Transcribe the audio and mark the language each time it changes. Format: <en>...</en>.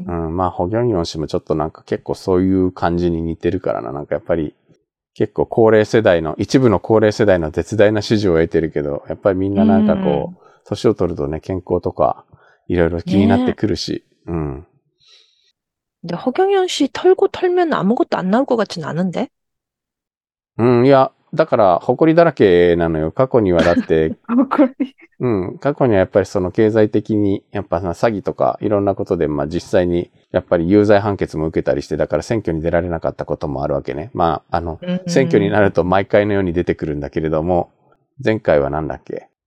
<ja>まあ、ホギョンヨン氏もちょっとなんか結構そういう感じに似てるからな、なんかやっぱり、結構高齢世代の、一部の高齢世代の絶大な支持を得てるけど、やっぱりみんななんかこう、年を取るとね、健康とか、いろいろ気になってくるし。</ja> <ko>で、허경영 씨 털고 털면 아무것도 안 나올 것 같진 않은데?</ko> <ja>いや、だから、埃だらけなのよ。過去にはだって、過去にはやっぱりその経済的に、やっぱ詐欺とか、いろんなことで、まあ実際に、やっぱり有罪判決も受けたりして、だから選挙に出られなかったこともあるわけね。まあ、選挙になると毎回のように出てくるんだけれども、前回はなんだっけ。</ja>